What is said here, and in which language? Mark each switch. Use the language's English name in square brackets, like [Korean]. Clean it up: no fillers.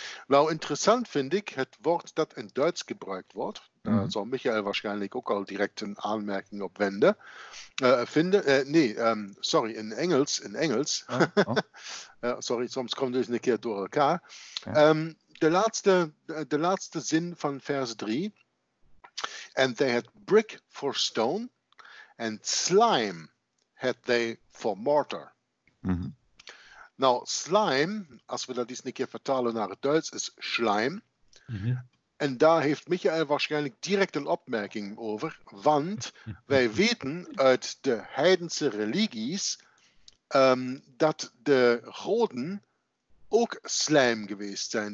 [Dutch] Nou, interessant vind ik het woord dat in Duits gebruikt wordt. Daar zal Michael waarschijnlijk ook al direct een aanmerking op wenden. In Engels. Soms komt het eens een keer door elkaar. Okay. De laatste zin van vers 3. [English] And they had brick for stone, and slime had they for mortar. Mm-hmm. [Dutch] Nou, slime, als we dat eens een keer vertalen naar het Duits, is schleim. Mm-hmm. En daar heeft Michael waarschijnlijk direct een opmerking over, want wij weten uit de heidense religies dat de goden ook slijm geweest zijn.